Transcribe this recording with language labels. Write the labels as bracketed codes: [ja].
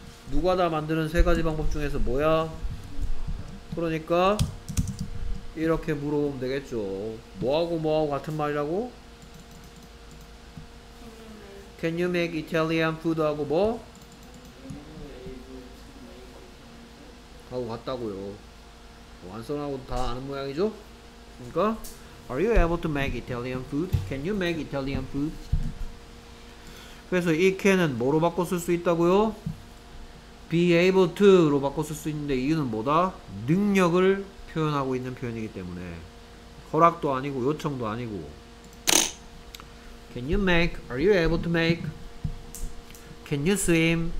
[ko] 누가 다 만드는 세 가지 방법 중에서 뭐야? 그러니까 이렇게 물어보면 되겠죠. 뭐하고 뭐하고 같은 말이라고? [en] Can you make Italian food [ko] 하고 뭐? 하고 갔다고요. 완성하고도 다 아는 모양이죠? 그러니까 [en] Are you able to make Italian food? Can you make Italian food? [ko] 그래서 이 can은 뭐로 바꿔 쓸 수 있다고요? Be able to로 바꿔 쓸 수 있는데 이유는 뭐다? 능력을 표현하고 있는 표현이기 때문에 허락도 아니고 요청도 아니고 [en] Can you make? Are you able to make? Can you swim?